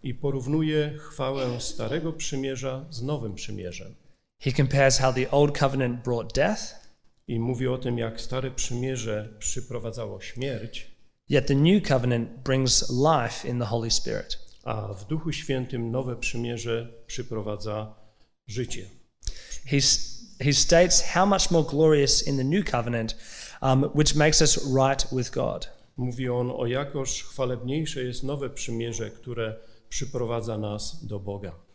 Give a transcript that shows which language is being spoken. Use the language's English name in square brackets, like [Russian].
[Polish] I porównuje chwałę starego przymierza z nowym przymierzem. [English] He compares how the old covenant brought death. [Polish] I mówi o tym, jak stare przymierze przyprowadzało śmierć. [English] Yet the new covenant brings life in the Holy Spirit. [Polish] A w Duchu Świętym nowe przymierze przyprowadza życie. [English] He states how much more glorious in the new covenant. Which makes us right with God. [Polish] Mówi on o jakoż chwalebniejsze jest nowe przymierze, które przyprowadza nas do Boga.